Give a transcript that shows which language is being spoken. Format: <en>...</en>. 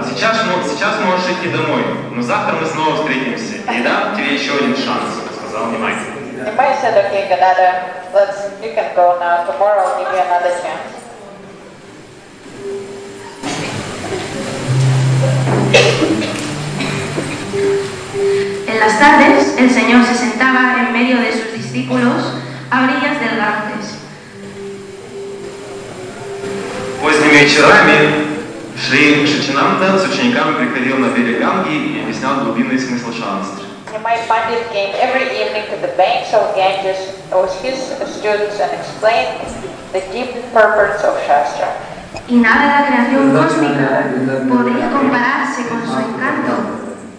<ru>Сейчас можешь идти домой, но завтра мы снова встретимся. И дам тебе еще один шанс, сказал Нимай.</ru> <en>Nimai said, okay, Gadadhar, you can go now. Tomorrow I'll give you another chance.</en> <es>En las tardes, el Señor se sentaba en medio de sus discípulos a orillas del Ganges.</es> <ru>Поздними вечерами Шри Шичинанда с учениками приходил на берег Ганги и объяснял глубинный смысл шанстры.</ru> <en>My Pandit came every evening to the banks of Ganges with his students and explained the deep purpose of Shastra.</en> <es>Y nada la creación cósmica podría compararse con su encanto.</es>